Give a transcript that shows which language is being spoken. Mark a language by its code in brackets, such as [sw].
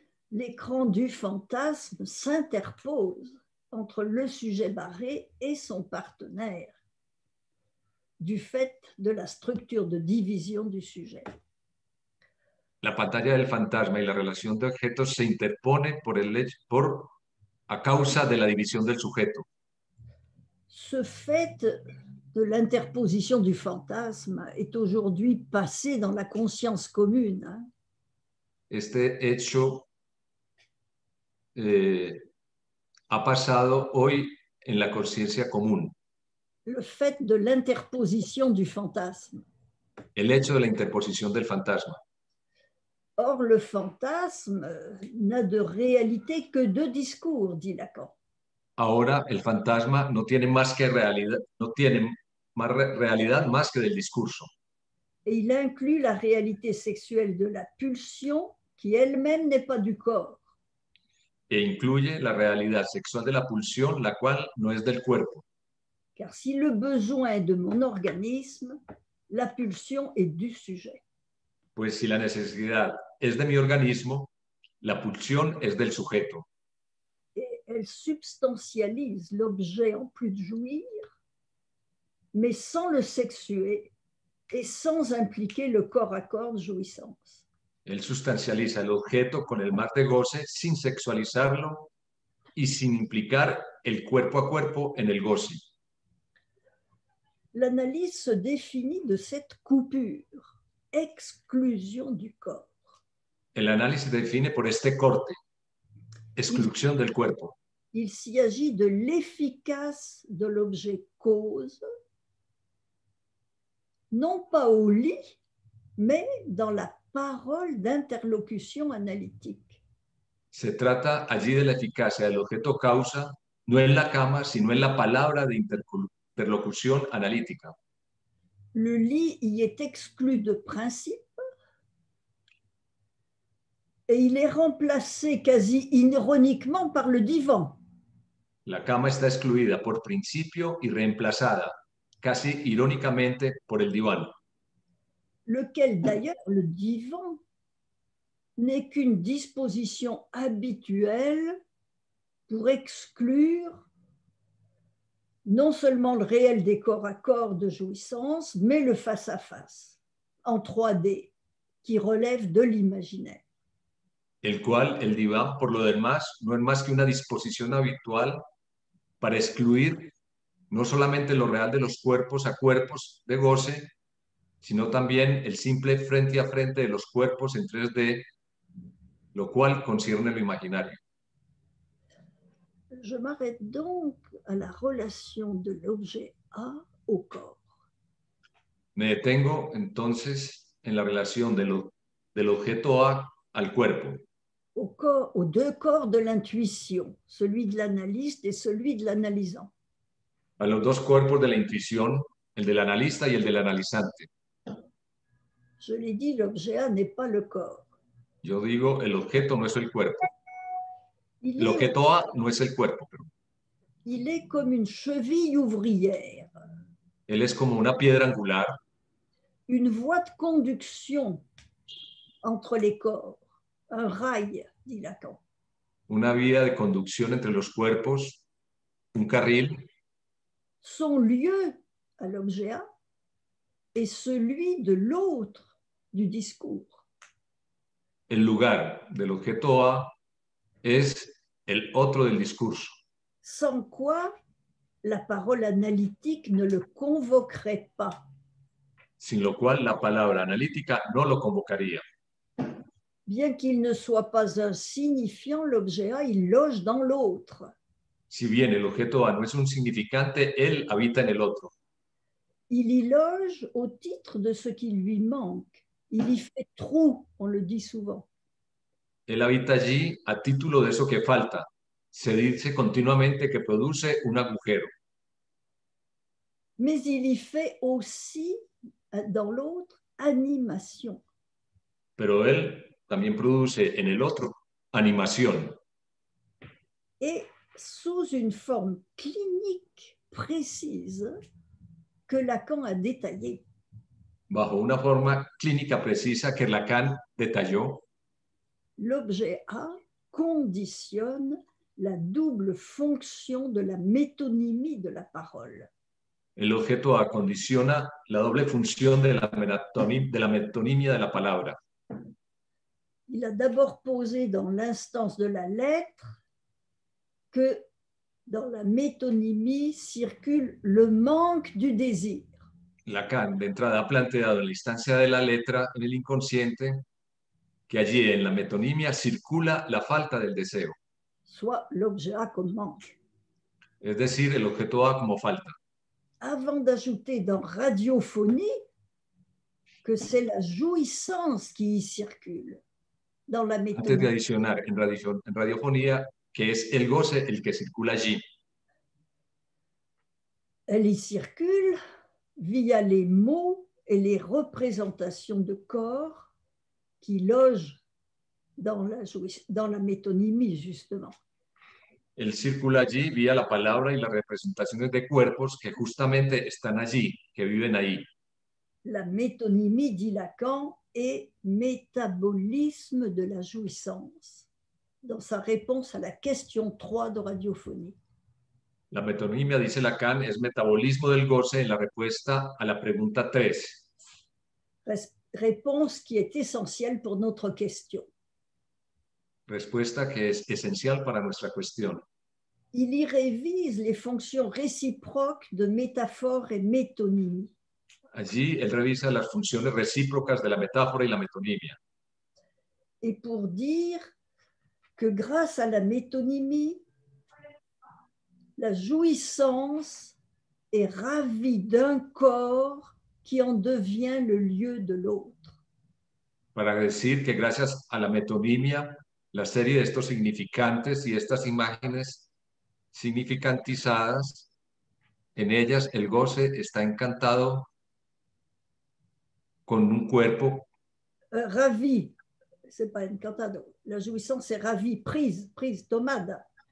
[fr] L'écran du fantasme s'interpose entre le sujet barré et son partenaire du fait de la structure de division du sujet. [es] La pantalla del fantasma y la relación de objetos se interpone por el hecho, por a causa de la división del sujeto. [fr] Ce fait de l'interposition du fantasme est aujourd'hui passé dans la conscience commune. [es] Este hecho ha pasado hoy en la conciencia común. [fr] Le fait de l'interposition du fantasme. [es] El hecho de la interposición del fantasma. [fr] Or, le fantasme n'a de réalité que deux discours, dit Lacan. [es] Ahora, el fantasma no tiene más que realidad, no tiene más realidad más que del discurso. [fr] Et il inclut la réalité sexuelle de la pulsion qui elle-même n'est pas du corps. [es] E incluye la realidad sexual de la pulsión, la cual no es del cuerpo. [fr] Car si le besoin est de mon organisme, la pulsion est du sujet. [es] Pues si la necesidad es de mi organismo, la pulsión es del sujeto. [fr] Et elle substantialise l'objet en plus de jouir, mais sans le sexuer et sans impliquer le corps à corps de jouissance. Elle substantialise l'objet [es] con el mar de goce sin sexualizarlo y sin implicar el cuerpo a cuerpo en el goce. [fr] L'analyse se définit de cette coupure, exclusion du corps. [es] El análisis se define por este corte, exclusión del cuerpo. [fr] Il s'y agit de l'efficace de l'objet cause, non pas au lit, mais dans la parole d'interlocution analytique. [es] Se trata allí de la eficacia del objeto causa, no en la cama, sino en la palabra de interlocución analítica. [fr] Le lit y est exclu de principe et il est remplacé quasi ironiquement par le divan. [es] La cama está excluida por principio y reemplazada casi irónicamente por el diván. [fr] Lequel d'ailleurs, le divan, n'est qu'une disposition habituelle pour exclure non seulement le réel des corps à corps de jouissance, mais le face-à-face, en 3D, qui relève de l'imaginaire. [es] El cual, el diván, por lo demás, no es más que una disposición habitual para excluir no solamente lo real de los cuerpos a cuerpos de goce, sino también el simple frente a frente de los cuerpos en 3D, lo cual concierne lo imaginario. [fr] Je m'arrête donc à la relation de l'objet A au corps. [es] Me detengo entonces en la relación del objeto A al cuerpo. [fr] Au corps, aux deux corps de l'intuition, celui de l'analyste et celui de l'analysant. [es] A los dos cuerpos de la intuición, el del analista y el del analizante. [fr] Je l'ai dit, l'objet A n'est pas le corps. [es] Yo digo, el objeto no es el cuerpo. L'objeto A no es el cuerpo. Pero... [fr] Il est comme une cheville ouvrière. [es] Él es como una piedra angular. [fr] Une voie de conducción entre les corps. Un rail, dit Lacan. [es] Una vía de conducción entre los cuerpos. Un carril. [fr] Son lieu à l'objet A est celui de l'autre du discours. [es] El lugar del objeto A es el otro del discurso. [fr] Sans quoi la parole analytique ne le convoquerait pas. [es] Sin lo cual la palabra analítica no lo convocaría. [fr] Bien qu'il ne soit pas un signifiant, l'objet A, il loge dans l'autre. [es] Si bien el objeto A no es un significante, él habita en el otro. [fr] Il y loge au titre de ce qui lui manque. Il y fait trou, on le dit souvent. [es] Él habita allí a título de eso que falta. Se dice continuamente que produce un agujero. [fr] Mais il y fait aussi, dans l'autre, animation. [es] Pero él también produce en el otro animación. [fr] Et sous une forme clinique précise que Lacan a détaillée. [es] Bajo una forma clínica precisa que Lacan detalló. [fr] L'objet A conditionne la double fonction de la métonymie de la parole. [es] El objeto A condiciona la doble función de la metonimia de la palabra. [fr] Il a d'abord posé dans l'instance de la lettre que dans la métonymie circule le manque du désir. [es] Lacan, de entrada, ha planteado en la instancia de la letra, en el inconsciente, que allí en la metonimia circula la falta del deseo. [fr] Soit l'objet A comme manque. [es] Es decir, el objeto A como falta. [fr] Avant d'ajouter dans radiophonie que c'est la jouissance qui y circule dans la métonymie. [es] Antes de adicionar en radiofonía que es el goce el que circula allí. [fr] Elle y circule via les mots et les représentations de corps qui logent dans la métonymie, justement. [es] Él circula allí vía la palabra y las representaciones de cuerpos que justamente están allí, que viven ahí. [fr] La métonymie, dit Lacan, est métabolisme de la jouissance, dans sa réponse à la question 3 de radiophonie. [es] La métonymie, dice Lacan, es metabolismo del goce en la respuesta a la pregunta 3. [fr] Réponse qui est essentielle pour notre question. [es] Respuesta que es esencial para nuestra cuestión. [fr] Il y révise les fonctions réciproques de métaphore et métonymie. [es] Allí él revisa las funciones recíprocas de la metáfora y la metonimia. [fr] Et pour dire que grâce à la métonymie, la jouissance est ravie d'un corps qui en devient le lieu de l'autre. [es] Para decir que gracias a la metonimia, la serie de estos significantes y estas imágenes significantizadas, en ellas el goce está encantado con un cuerpo. [fr] Ravi, c'est pas encantado. La jouissance est ravie, prise, tomada.